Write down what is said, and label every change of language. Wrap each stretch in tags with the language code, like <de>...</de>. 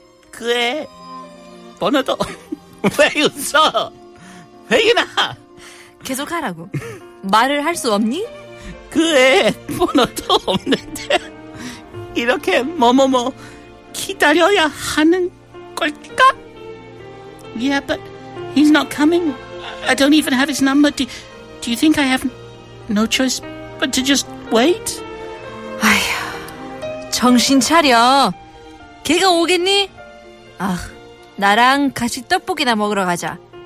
<ko>그 애 번호도 왜 웃어? 혜윤아. 계속하라고. 말을 할 수 없니? 그 애 번호도 없는데 이렇게 뭐뭐뭐 기다려야 하는 걸까?</ko> <en>Yeah, but he's not coming. I don't even have his number. Do you think I have no choice but to just wait?</en> <ko>아휴, 정신 차려. 걔가 오겠니? 아, 나랑 같이 떡볶이나 먹으러 가자.</ko>